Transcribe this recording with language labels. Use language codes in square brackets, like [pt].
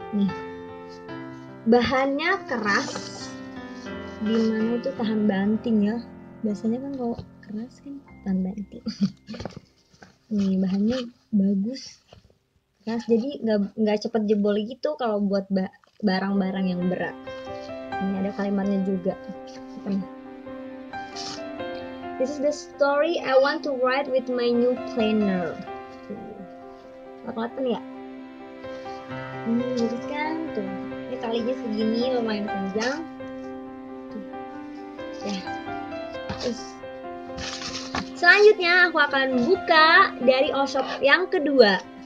[id] Nih, bahannya keras. Gimana tuh tahan banting ya? Biasanya kan kalau keras kan tahan banting. Nih, bahannya bagus. Keras, jadi nggak cepet jebol gitu kalau buat barang-barang yang berat. Ini ada kalimatnya juga. [en] This is the story I want to write with my new planner. [id] Kelihatan ya? Jadi kan tuh, ini talinya segini lumayan panjang. Ya. Terus. Selanjutnya aku akan buka dari Olshop yang kedua.